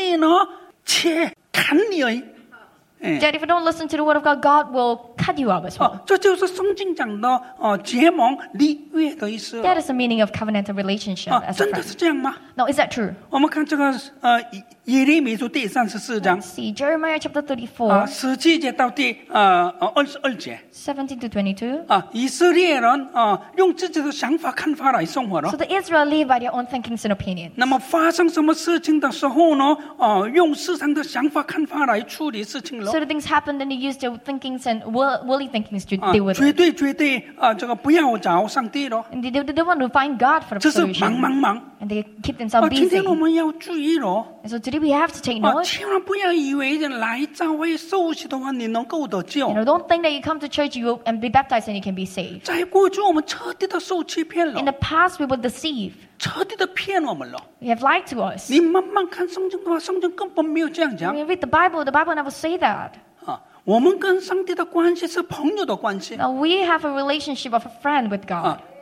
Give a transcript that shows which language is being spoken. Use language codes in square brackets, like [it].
[zh] 如果你不听神的话的话，我们的上帝呢，切砍你而已。 [en] Dad, if you don't listen to the word of God, God will cut you up as well. [zh] 这就是圣经讲的结盟立约的意思。That [en] is the meaning of covenantal relationship. [zh] 真的是这样吗？ [en] No, is that true? [zh] 我们看这个耶利米书第34章。 [en] Let's see Jeremiah chapter 34. [zh] 17节到22节。 [en] 17 to 22。 [zh] 以色列人用自己的想法看法来生活了。 [en] So the Israelites live by their own thinkings and opinions. [zh] 那么发生什么事情的时候呢？用世上的想法看法来处理事情了。 [en] So things happen, then you use their thinkings and worldly thinkings to deal with it. [zh] 绝对，这个不要找上帝了。And [en] they want to find God for the solution. [zh] 这是忙。 [en] And they keep themselves busy. [zh] 今天我们要注意了。 [en] So today we have to take notes. [zh] 千万不要以为来教会受洗的话，你能够得救。 [en] You know, don't think that you come to church and be baptized and you can be saved. [zh] 在过去我们彻底的受欺骗了。 [en] In the past, we were deceived. [zh] 彻底的骗我们了。 [en] You have lied to us. [zh] 你慢慢看圣经的话，圣经根本没有这样讲。 [en] You read the Bible never say that. [zh] 我们跟上帝的关系是朋友的关系。 [en] Now we have a relationship of a friend with God.